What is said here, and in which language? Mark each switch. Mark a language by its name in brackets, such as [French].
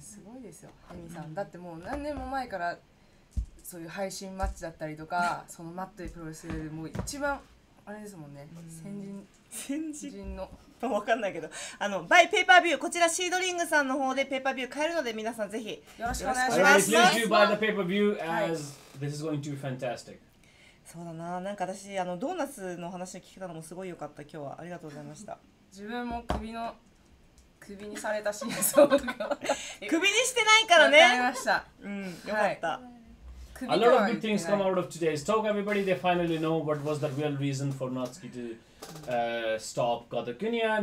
[Japanese] すごいですよ、ハミさん。だってもう何年も前からそういう配信マッチだったりとか、そのマットでプロレスでもう一番あれですもんね、先人、先人の分かんないけど、バイペーパービュー、こちらシードリングさんの方でペーパービュー買えるので、皆さんぜひよろしくお願いします。 [English] If you buy the pay per view as this is going to be fantastic。 [Japanese] そうだな、なんか私ドーナツの話を聞けたのもすごい良かった。今日はありがとうございました。自分も首にされたし、そうか、首にしてないからね。分かりました。うん、よかった。 [English] A lot of good things come out of today's talk. Everybody, they finally know what was the real reason for Natsuki toStop Kota Kuniya.